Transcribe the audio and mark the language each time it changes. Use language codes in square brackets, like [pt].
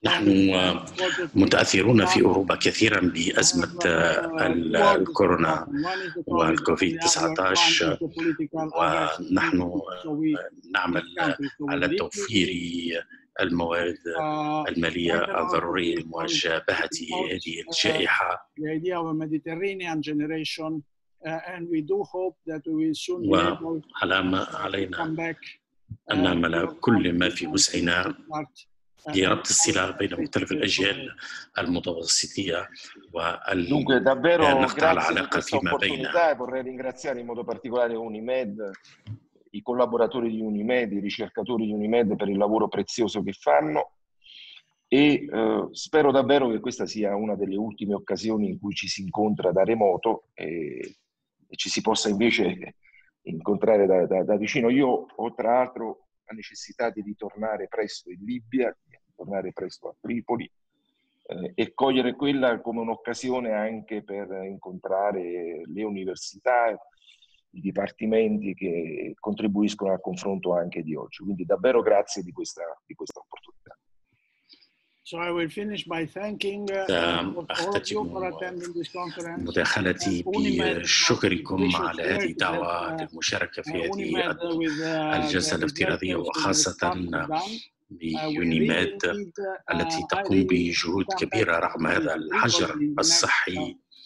[ar] نحن متأثرون في أوروبا كثيرا بأزمة الكورونا والكوفيد 19 ونحن نعمل على توفير الموارد المالية الضرورية لمواجهة هذه الجائحة. [en] The idea of a Mediterranean generation. And we do hope that we will soon be able to come back. [ar] أن نعمل كل ما في وسعنا لربط الصلة بين مختلف الأجيال المتوسطية ونقطع العلاقة فيما بيننا. [it] Vorrei ringraziare in modo particolare UNIMED, i collaboratori di UNIMED, i ricercatori di UNIMED per il lavoro prezioso che fanno. E spero davvero che questa sia una delle ultime occasioni in cui ci si incontra da remoto e ci si possa invece incontrare da vicino. Io ho tra l'altro la necessità di ritornare presto in Libia, di tornare presto a Tripoli e cogliere quella come un'occasione anche per incontrare le università, i dipartimenti che contribuiscono al confronto anche di oggi. Quindi davvero grazie di questa opportunità. [en] So I will finish by thanking all of you for attending this conference. [ar] مداخلتي بشكركم على هذه الدعوة للمشاركة في هذه الجلسة الافتراضية وخاصة بيونيميد التي تقوم بجهود كبيرة رغم هذا الحجر الصحي.